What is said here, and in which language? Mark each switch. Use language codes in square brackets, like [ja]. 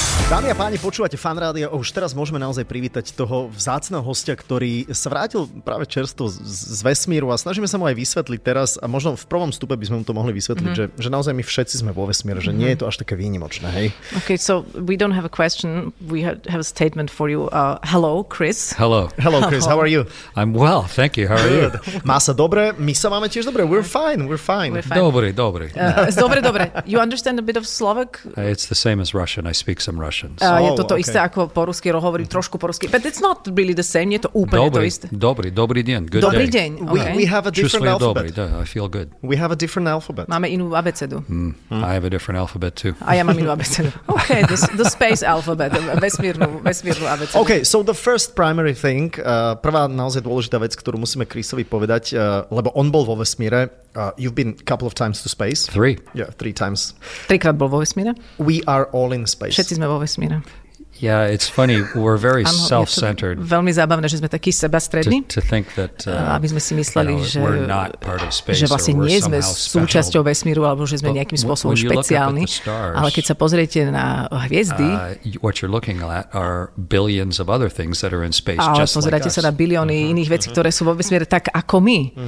[sk] Dámy a páni, počúvate Fan Rádio a už teraz môžeme naozaj privítať toho vzácneho hostia, ktorý sa vrátil práve čerstvo z vesmíru a snažíme sa mu aj vysvetliť teraz a možno v prvom stupe by sme mu to mohli vysvetliť, že naozaj my všetci sme vo vesmíre, že nie je to až také výnimočné, hej? [en] Okay, so we don't have a question, we have a statement for you. Hello, Chris. Hello. Hello, Chris, how are you? I'm well, thank you, how are you? [sk] Má sa dobre, my sa máme tiež dobre, [en] we're fine. [sk] Dobre, dobre. Dobre. [en] You understand a bit of Slovak? It's the same as Russian, I speak some Russian. [sk] Je toto isté ako po rusky, hovorí trošku po rusky. [en] But it's not really the same, [sk] nie je to úplne dobrý, Dobrý deň, good dobrý [en] day. [sk] Deň, okay. [en] We have a different alphabet. Dobrý, I feel good. We have a different alphabet. [sk] Máme inú abecedu. [en] I have a different alphabet too. [sk] A ja mám inú abecedu. [en] Okay, the space alphabet, [sk] vesmírnu abecedu. [en] Okay, so the first primary thing, [sk] prvá naozaj dôležitá vec, ktorú musíme Chrisovi povedať, lebo on bol vo vesmíre. [en] You've been a couple of times to space. Three. Yeah, three times. [sk] Trikrát bol vo vesmíre. [en] We are all in space. [sk] Všetci sme vo vesmíre. [en] Yeah, it's funny. We're very self-centered. [sk] Veľmi zábavné, že sme takí sebastrední. [en] To think that [sk] aby sme si mysleli, že [en] we're not part of space, [sk] že vlastne nie sme súčasťou vesmíru alebo že sme nejakým spôsobom špeciálni. Ale keď sa pozriete na hviezdy, [en] what you're looking at are billions of other things that are in space just like us. [sk] A pozeráte sa na bilióny iných vecí, ktoré sú vo vesmíre tak ako my.